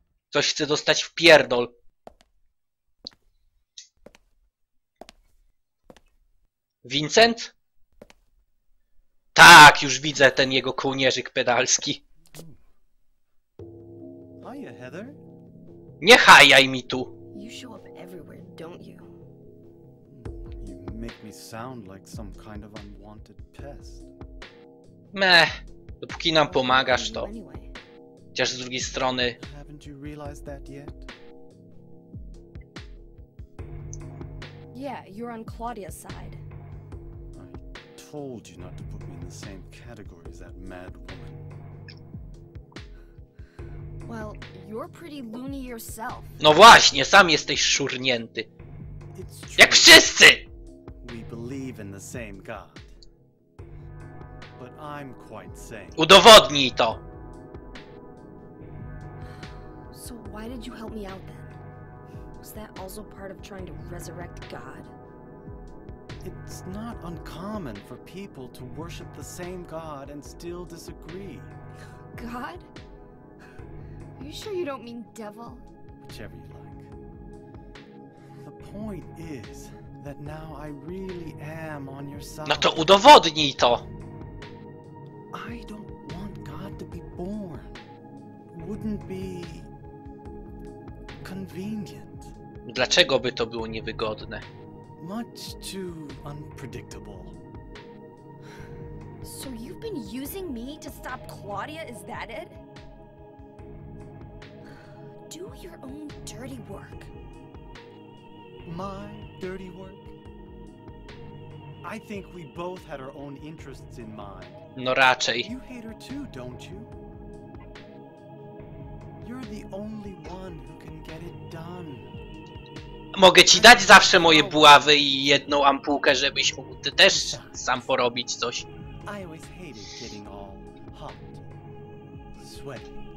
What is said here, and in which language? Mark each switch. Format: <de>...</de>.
<pl>Ktoś chce dostać w pierdol. Vincent? Tak, już widzę ten jego kołnierzyk pedalski.</pl> <en>Hiya, Heather.</en> <pl>Nie hajaj mi tu.</pl> <en>You show up everywhere, don't you? make me sound like some kind of unwanted pest.</en> <pl>Meh, dopóki nam pomagasz, to... Chociaż z drugiej strony...</pl> <en>Haven't you realized that yet? Yeah, you're on Claudia's side. I told you not to put me in the same category as that mad woman. Well, you're pretty loony yourself.</en> <pl>No właśnie, sam jesteś szurnięty. Jak wszyscy!</pl> <en>We believe in the same God. But I'm quite sane.</en> <pl>Udowodnij to!</pl> <en>So why did you help me out then? Was that also part of trying to resurrect God? It's not uncommon for people to worship the same God and still disagree. God? Are you sure you don't mean devil? Whichever you like. The point is that now I really am on your side.</en> <pl>No to udowodnij to!</pl> <en>I don't want God to be born. Wouldn't be... convenient.</en> <pl>Dlaczego by to było niewygodne?</pl> <en>Much too unpredictable. So you've been using me to stop Claudia, is that it? Do your own dirty work. My dirty work? I think we both had our own interests in mind.</en> <pl>No raczej.</pl> <en>You hate her too, don't you? You're the only one who can get it done.</en> <pl>Mogę ci dać zawsze moje buławy i jedną ampułkę, żebyś mógł ty też sam porobić coś.</pl> <en>I always hated getting all hot, sweaty.</en>